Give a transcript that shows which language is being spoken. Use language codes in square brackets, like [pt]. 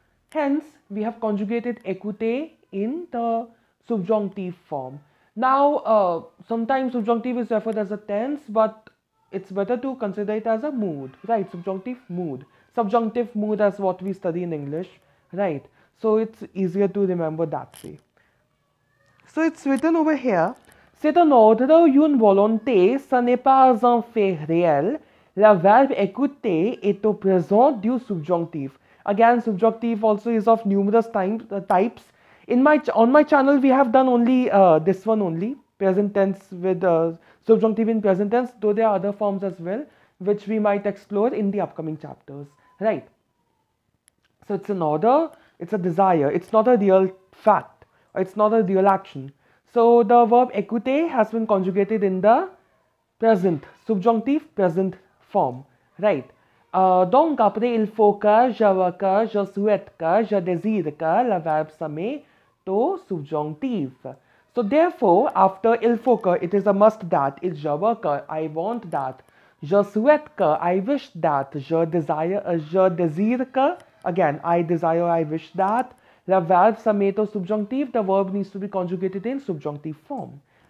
[en] Hence, we have conjugated écouter in the subjonctive form. Now, sometimes subjonctive is referred as a tense, but it's better to consider it as a mood, right? Subjonctive mood. Subjunctive mood is what we study in English, right? So it's easier to remember that way. So it's written over here. [fr] C'est un ordre ou une volonté, ce n'est pas un fait réel. Le verbe écouter est au présent du subjonctif. [en] Again, subjonctive also is of numerous types. On my channel, we have done only this one only. Present tense with subjunctive in present tense. Though there are other forms as well, which we might explore in the upcoming chapters. Right. So it's an order, it's a desire, it's not a real fact, it's not a real action. So the verb écouter has been conjugated in the present, subjonctive present form. Right. [fr] Donc après il faut que, je veux que, je souhaite que, je désire que, le verbe se met, to subjonctif. [en] So therefore, after [fr] il faut que, [en] it is a must that, [fr] il je veux que, [en] I want that. [fr] Je souhaite que, [en] I wish that, [fr] je désire que, [en] again, I desire, I wish that. [fr] Le verbe se met au subjonctif, [en] the verb needs to be conjugated in subjonctive form.